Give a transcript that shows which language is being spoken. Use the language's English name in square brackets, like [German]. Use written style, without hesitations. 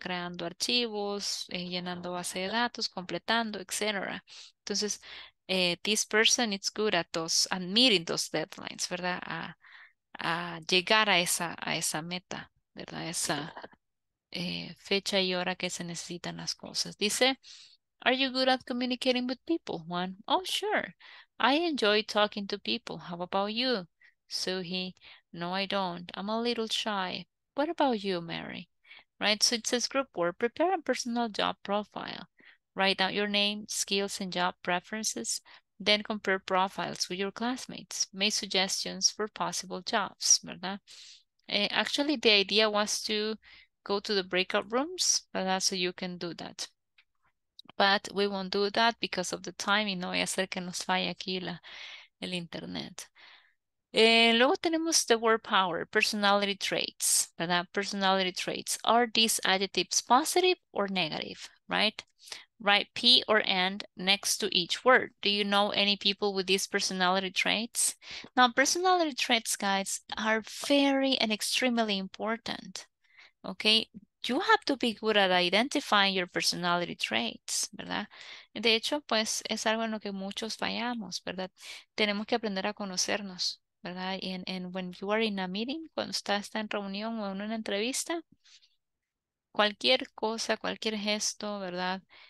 [Spanish] Creando archivos, llenando base de datos, completando, etc. [English] Entonces, this person is good at those, at meeting those deadlines, ¿verdad? [Spanish] A llegar a esa meta, ¿verdad? Esa fecha y hora que se necesitan las cosas. [English] Dice, are you good at communicating with people, Juan? Oh, sure. I enjoy talking to people. How about you? Suhi, no, I don't. I'm a little shy. What about you, Mary? Right, so it says group work. Prepare a personal job profile. Write out your name, skills, and job preferences. Then compare profiles with your classmates. Make suggestions for possible jobs, ¿verdad? Actually, the idea was to go to the breakout rooms, ¿verdad? So you can do that. But we won't do that because of the time, [Spanish] y no voy a hacer que nos falle aquí el internet. Luego tenemos [English] the word power, personality traits, ¿verdad? Personality traits. Are these adjectives positive or negative, right? Write P or N next to each word. Do you know any people with these personality traits? Now, personality traits, guys, are very and extremely important, okay? You have to be good at identifying your personality traits, ¿verdad? [Spanish] De hecho, pues, es algo en lo que muchos fallamos, ¿verdad? Tenemos que aprender a conocernos, ¿verdad? [English] And when you are in a meeting, [Spanish] cuando está en reunión o en una entrevista, cualquier cosa, cualquier gesto, ¿verdad?